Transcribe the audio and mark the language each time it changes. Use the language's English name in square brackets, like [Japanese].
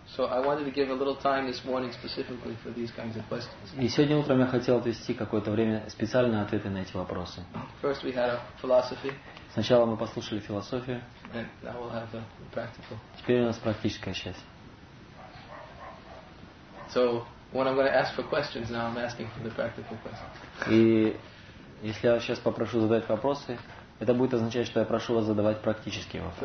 [English] So I wanted to give a little time this morning specifically for these kinds of questions. [Russian] И сегодня утром я хотел отвести какое-то время специально ответы на эти вопросы. [English] First we had a philosophy. [Russian] Сначала мы послушали философию. [English] And now we'll have the practical. [Russian] Теперь у нас практическая часть. [English] So when I'm going to ask for questions now, I'm asking for the practical questions. [Russian] И если я сейчас попрошу задать вопросы, это будет означать, что я прошу вас задавать практические вопросы.